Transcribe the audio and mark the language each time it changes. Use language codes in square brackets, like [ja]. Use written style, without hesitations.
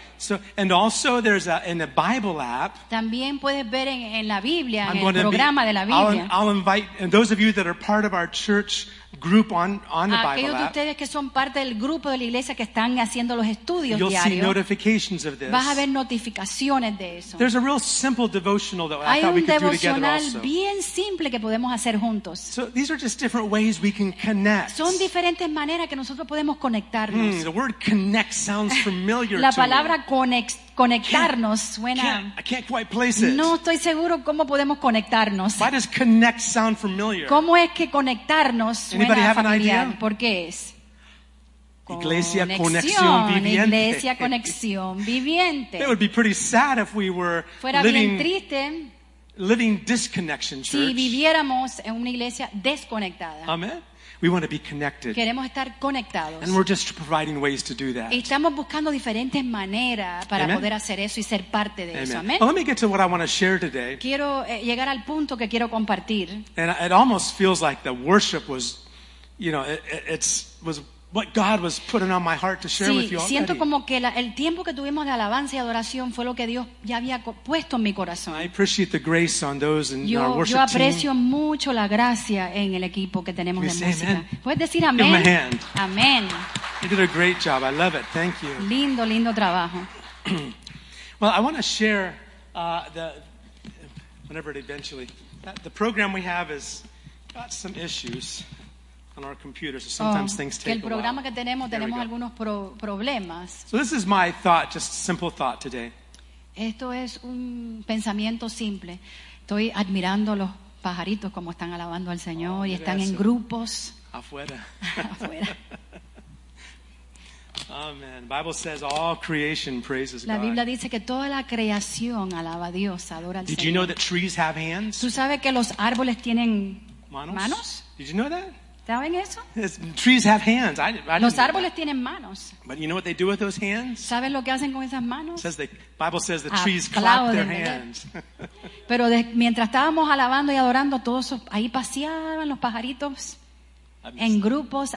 [en] So, and also there's in the Bible app. [es] También puedes ver en la Biblia, [en] I'm [es] en el programa de la Biblia. [en] I'll invite and those of you that are part of our church group on the Bible app. [es] Aquellos de ustedes que son parte del grupo de la iglesia que están haciendo los estudios diarios. [en] You'll see notifications of this. [es] Vas a ver notificaciones de eso. [en] There's a real simple devotional that I thought we could do together also. [es] Hay un devocional bien simple que podemos hacer juntos. [en] So these are just different ways we can connect. [es] Son diferentes maneras que nosotros podemos conectarnos. [en] The word connect sounds familiar to me. [es] La palabra conectarnos suena. [en] I can't quite place it. [es] No estoy seguro cómo podemos conectarnos. [en] Why does connect sound familiar? [es] ¿Cómo es que conectarnos suena [en] Anybody have [es] familiar? [en] An idea? [es] ¿Por qué es? Iglesia conexión viviente. Iglesia conexión viviente. [en] It would be pretty sad if we were [es] Fuera [en] living, [es] bien triste. [en] Living disconnection church. [es] Si viviéramos en una iglesia desconectada. [en] Amen. We want to be connected. [es] Queremos estar conectados. [en] And we're just providing ways to do that. [es] Estamos buscando diferentes maneras para [en] Amen. [es] Poder hacer eso y ser parte de [en] Amen. [es] Eso. [en] Amen. Well, let me get to what I want to share today. [es] Quiero llegar al punto que quiero compartir. [en] And it almost feels like the worship was, you know, it was what God was putting on my heart to share [es] sí, [en] with you already. [es] Siento como que el tiempo que tuvimos de alabanza y adoración fue lo que Dios ya había puesto en mi corazón. [en] I appreciate the grace on those in our worship team. [es] Yo aprecio mucho la gracia en el equipo que tenemos de música. [en] Amen? [es] ¿Puedes decir amén? [en] Give them a hand. [es] Amén. [en] You did a great job. I love it. Thank you. [es] Lindo, lindo trabajo. [en] Well, I want to share the program we have has got some issues. On our computer, so sometimes things take [es] que el programa [en] a while. [es] Que tenemos algunos problemas. [en] So this is my thought, just a simple thought today. [es] Esto es un pensamiento simple. Estoy admirando los pajaritos como están alabando al Señor y están en grupos. Afuera. Afuera. [en] Oh, amen. The Bible says all creation praises God. [es] La Biblia dice que toda la creación alaba a Dios, adora al [en] Did [es] Señor. [en] You know that trees have hands? [es] ¿Tú sabes que los árboles tienen manos? [en] Did you know that? [es] ¿Saben eso? [en] Trees have hands. I [es] Los árboles tienen manos. [en] But you know what they do with those hands? [es] ¿Saben lo que hacen con esas manos? [en] Says the Bible says the trees clap their hands. [es] Pero mientras estábamos alabando y adorando, todos ahí paseaban los pajaritos en grupos.